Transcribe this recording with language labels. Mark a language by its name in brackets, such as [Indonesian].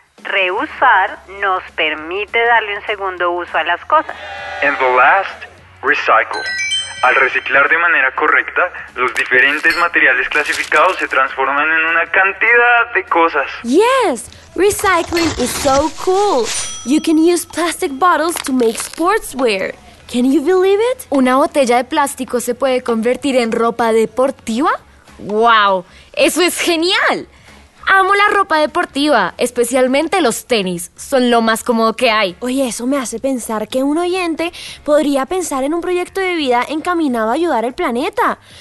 [Spanish] Reusar nos permite darle un segundo uso a las cosas. [English] And the last, recycle. [Spanish] Al reciclar de manera correcta, los diferentes materiales clasificados se transforman en una cantidad de cosas. [English] Yes, recycling is so cool. You can use plastic bottles to make sportswear. Can you believe it? [Spanish] ¿Una botella de plástico se puede convertir en ropa deportiva? ¡Wow! ¡Eso es genial! Amo la ropa deportiva, especialmente los tenis. Son lo más cómodo que hay. Oye, eso me hace pensar que un oyente podría pensar en un proyecto de vida encaminado a ayudar al planeta.